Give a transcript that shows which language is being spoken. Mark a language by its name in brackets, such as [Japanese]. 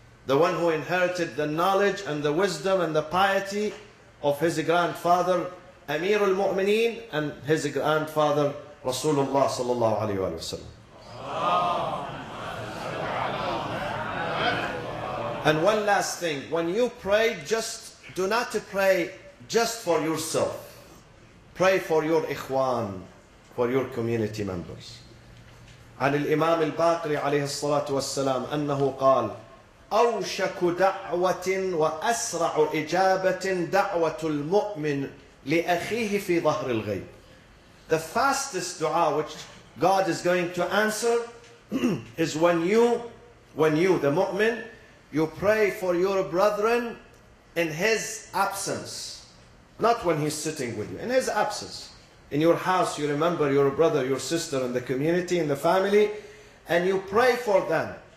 [English] The one who inherited the knowledge and the wisdom and the piety of his grandfather Amir al-Mu'mineen and his grandfather Rasulullah sallallahu alayhi wa sallam. And one last thing, when you pray, just do not pray just for yourself. Pray for your ikhwan, for your community members. [Arabic] عن الإمام الباقر عليه الصلاة والسلام أنه قال أوشك دعوة وأسرع إجابة دعوة المؤمن لأخيه في ظهر الغيب. [English] The fastest dua which God is going to answer is when you, the mu'min, you pray for your brethren in his absence. Not when he's sitting with you, in his absence. In your house, you remember your brother, your sister, in the community, in the family, and you pray for them.